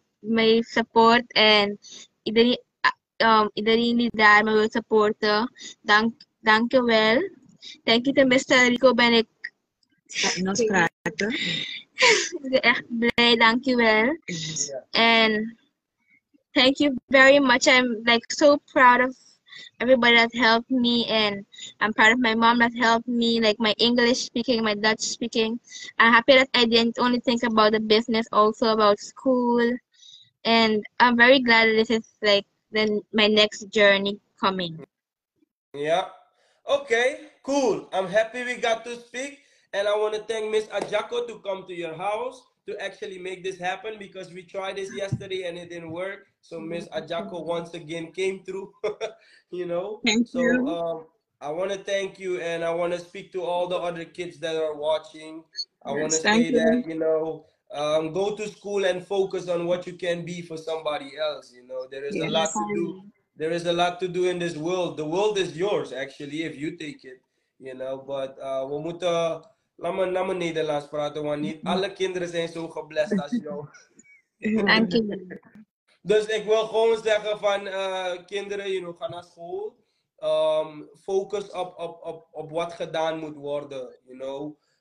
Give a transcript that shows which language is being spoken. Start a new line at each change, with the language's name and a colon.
Dutch: mij heeft support. En iedereen die daar mij wil supporten. Dank je wel. Dank je, Mr. Rico, ben ik. Ik ben echt blij, dank je wel.
English: En thank you very much. I'm like so proud of everybody that helped me, and I'm proud of my mom that helped me, like my English speaking, my Dutch speaking. I'm happy that I didn't only think about the business, also about school. And I'm very glad that this is like then my next journey coming. Yeah. Okay, cool. I'm happy we got to speak, and I want to thank Miss Ajako to come to your house to actually make this happen, because we tried this yesterday and it didn't work. So Miss Ajako once again came through. You know, I want to thank you, and I want to speak to all the other kids that are watching. I want to say that, you know, go to school and focus on what you can be for somebody else. You know, there is a lot to do. There is a lot to do in this world. The world is yours, actually, if you take it, you know. But we
Dutch: moeten, laat me Nederlands praten, want niet alle kinderen zijn zo geblest als jou. Dank je. Dus ik wil gewoon zeggen van kinderen,
English: you know,
Dutch: ga naar school. Focus op wat gedaan moet worden,
English: you know.